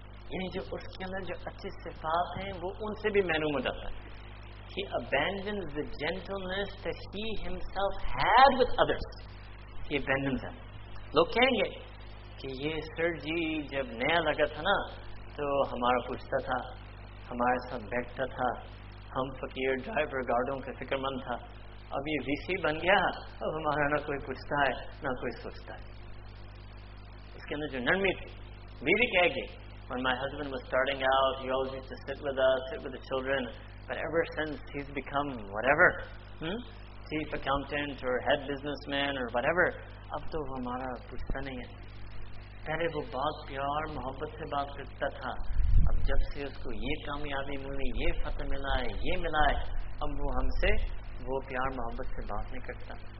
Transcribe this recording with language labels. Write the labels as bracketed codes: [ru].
[ur] یعنی جو اس کے اندر جو اچھی صفات ہیں وہ ان سے بھی محروم ہو جاتا ہے [en] He abandons the gentleness that he himself had with others He abandons them [ur] لوگ کہیں گے کہ یہ سر جی جب نیا لگا تھا نا تو ہمارا پوچھتا تھا ہمارے ساتھ بیٹھتا تھا ہم فقیر ڈرائیور گارڈوں کا فکر مند تھا اب یہ وی سی بن گیا اب ہمارا نہ کوئی پوچھتا ہے نہ کوئی سوچتا ہے اس کے اندر جو نرمی تھی وی بھی کہہ گئے [en] When my husband was starting out, he always used to sit with us, sit with the children. But ever since, he's become whatever. Chief accountant or head businessman or whatever. [ur] اب تو وہ ہمارا پوچھتا نہیں ہے. پہلے وہ بہت پیار محبت سے بات کرتا تھا. اب جب سے اس کو یہ کامیابی ملی یہ فتح ملا ہے یہ ملا ہے اب وہ ہم سے وہ پیار محبت سے بات نہیں کرتا